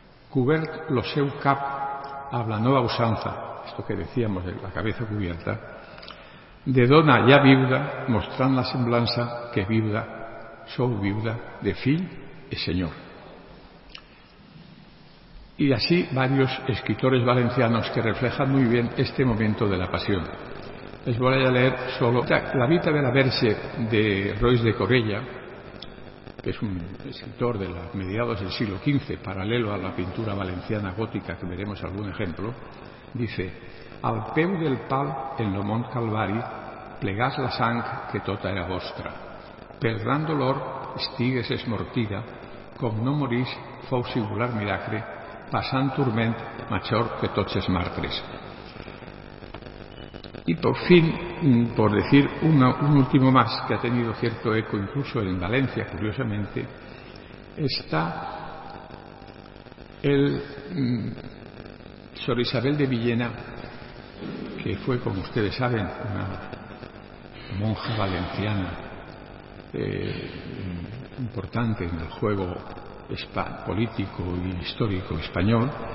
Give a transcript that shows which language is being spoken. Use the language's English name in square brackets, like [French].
[Catalan] Cobert lo seu cap amb la nova usanza, [Spanish] esto que decíamos de la cabeza cubierta, [Catalan] de dona ja viuda, mostrant la semblança que viuda, sou viuda de fill i senyor. [Spanish] Y así varios escritores valencianos que reflejan muy bien este momento de la pasión. Les voy a leer solo La vita de la Verge de Roig de Corella, que es un escritor de los mediados del siglo XV, paralelo a la pintura valenciana gótica, que veremos algún ejemplo. [Catalan] Dice: al peu del pal en lo mont Calvari plegas la sang que tota era vostra. Per gran dolor estigues esmortida, com no morís fou singular miracle, passant turment major que tots els martres. [Spanish] I per fin, per dir un último más que ha tenido cierto eco incluso en València, curiosamente, està el Sor Isabel de Villena, que fue, como ustedes saben, una monja valenciana importante en el juego político y histórico español.